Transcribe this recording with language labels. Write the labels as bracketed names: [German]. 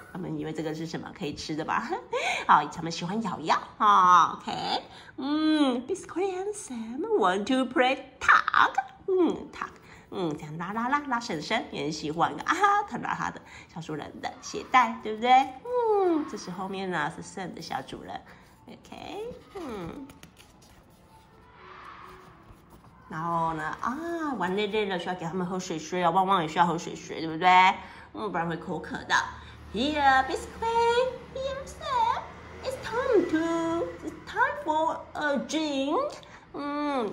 [Chinese] 他们以为这个是什么可以吃的吧？好，他们喜欢咬咬啊。 [English] OK， Biscuit and Sam want to play tug. Tug. [Chinese] 这样拉拉拉拉婶婶也很喜欢啊，他拉他的小主人的鞋带，对不对？这是后面呢是 Sam 的小主人。OK， 然后呢玩累累了需要给他们喝水水啊，汪汪也需要喝水水，对不对？不然会口渴的。 [English] Here Biscuit, here Sam, it's time for a drink.